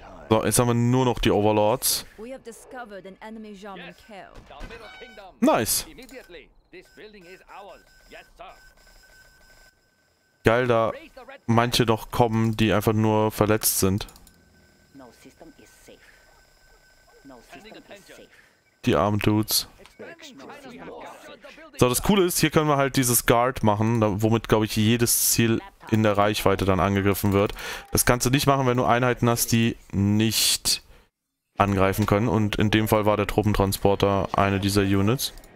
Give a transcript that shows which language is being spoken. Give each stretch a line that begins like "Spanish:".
German: So, jetzt haben wir nur noch die Overlords.
English: We have discovered an enemy German kill. Nice. Immediately. This building is ours. Yes, sir.
German: Geil, da manche noch kommen, die einfach nur verletzt sind.
English: No system is safe. No system is safe.
German: Die armen Dudes. So, das Coole ist, hier können wir halt dieses Guard machen, womit, glaube ich, jedes Ziel in der Reichweite dann angegriffen wird. Das kannst du nicht machen, wenn du Einheiten hast, die nicht angreifen können. Und in dem Fall war der Truppentransporter eine dieser Units.